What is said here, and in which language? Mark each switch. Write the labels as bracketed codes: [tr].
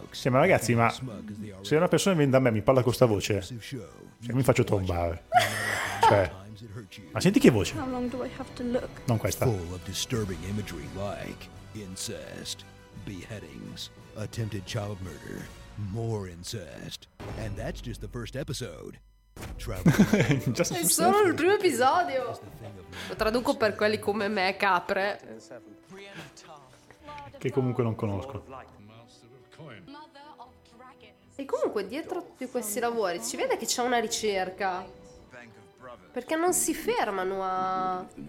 [it] Ma ragazzi, se una persona viene da me e mi parla con sta voce, mi faccio trombare. Cioè, ma senti che voce? Non questa. [en] Full of disturbing imagery like incest, beheadings, attempted child murder, more incest, and that's just the first episode. [it] È solo il primo episodio. Lo traduco per quelli come me, capre, che comunque non conosco. E comunque dietro tutti questi lavori si vede che c'è una ricerca, perché non si fermano a